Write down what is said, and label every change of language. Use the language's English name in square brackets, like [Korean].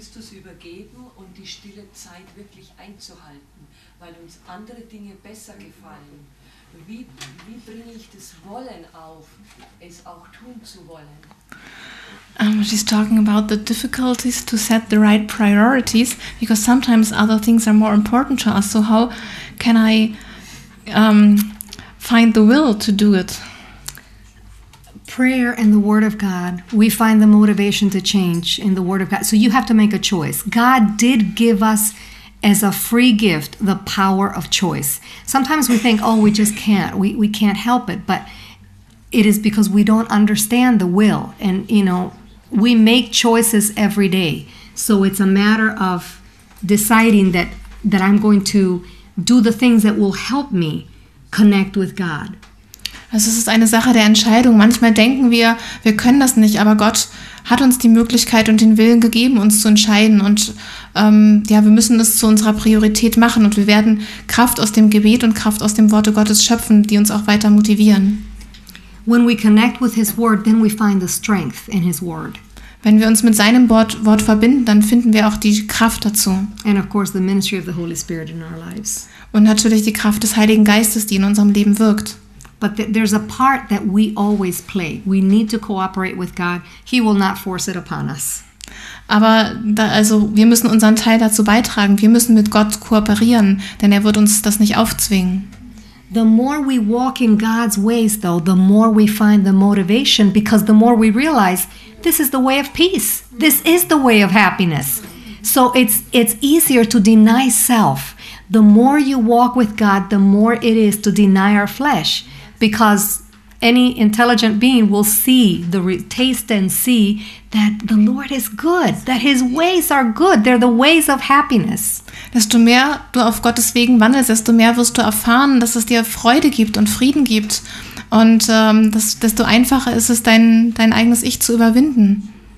[German] Übergeben und die stille Zeit wirklich einzuhalten, weil uns andere Dinge besser gefallen. Wie bringe ich das Wollen auf, es auch tun zu wollen? [English] She's talking about the difficulties to set the right priorities, because sometimes other things are more important to us. So how can I find the will to do it? Prayer and the Word of God, we find the motivation to change in the Word of God. So you have to make a choice. God did give us as a free gift the power of choice. Sometimes we think, oh, we just can't. We can't help it. But it is because we don't understand the will. And, you know, we make choices every day. So it's a matter of deciding that I'm going to do the things that will help me connect with God. [German] Also es ist eine Sache der Entscheidung. Manchmal denken wir können das nicht, aber Gott hat uns die Möglichkeit und den Willen gegeben, uns zu entscheiden. Und wir müssen es zu unserer Priorität machen. Und wir werden Kraft aus dem Gebet und Kraft aus dem Worte Gottes schöpfen, die uns auch weiter motivieren. [English] When we connect with his word, then we find the strength in his word. [German] Wenn wir uns mit seinem Wort verbinden, dann finden wir auch die Kraft dazu. [English] And of course the ministry of the Holy Spirit in our lives. [German] Und natürlich die Kraft des Heiligen Geistes, die in unserem Leben wirkt. [English] But there's a part that we always play. We need to cooperate with God. He will not force it upon us. [German] Aber da, also wir müssen unseren Teil dazu beitragen. Wir müssen mit Gott kooperieren, denn er wird uns das nicht aufzwingen. [English] The more we walk in God's ways though, the more we find the motivation, because the more we realize this is the way of peace. This is the way of happiness. So it's easier to deny self. The more you walk with God, the more it is to deny our flesh. Because any intelligent being will see, taste and see that the Lord is good, that his ways are good. They're the ways of happiness. [German] Desto mehr du auf Gottes Wegen wandelst, desto mehr wirst du erfahren, dass es dir Freude gibt und Frieden gibt. Und desto einfacher ist es, dein eigenes Ich zu überwinden.